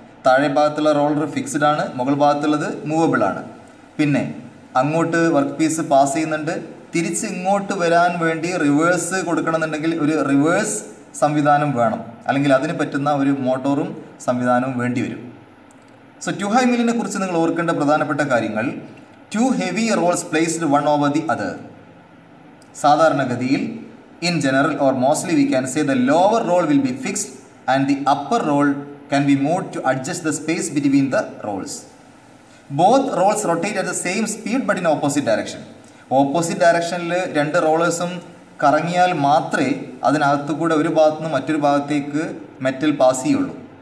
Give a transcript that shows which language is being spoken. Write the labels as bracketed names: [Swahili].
[Malayalam] താഴെ ഭാഗത്തുള്ള roller fixed ആണ്, മുകൾ ഭാഗത്തുള്ളത് മൂവബിളാണ്. പിന്നെ അങ്ങോട്ട് വർക്ക് പീസ് പാസ് ചെയ്യുന്നുണ്ട്, തിരിച്ച് ഇങ്ങോട്ട് വരാൻ വേണ്ടി റിവേഴ്സ് കൊടുക്കണമെന്നുണ്ടെങ്കിൽ ഒരു റിവേഴ്സ് സംവിധാനം വേണം, അല്ലെങ്കിൽ അതിന് പറ്റുന്ന ഒരു മോട്ടോറും സംവിധാനവും വേണ്ടി വരും. [English] so 2 high millനെ [Malayalam] കുറിച്ച് നിങ്ങൾ ഓർക്കേണ്ട പ്രധാനപ്പെട്ട കാര്യങ്ങൾ, [English] 2 heavy rolls placed one over the other. സാധാരണഗതിയിൽ, in general or mostly we can say the lower roll will be fixed and the upper roll can be moved to adjust the space between the rolls. Both rolls rotate at the same speed but in opposite direction. [Malayalam] Opposite ഡയറക്ഷനിൽ രണ്ട് റോളേഴ്സും കറങ്ങിയാൽ മാത്രമേ അതിനകത്തുകൂടെ ഒരു ഭാഗത്തു നിന്ന് മറ്റൊരു ഭാഗത്തേക്ക് metal pass ചെയ്യുള്ളൂ.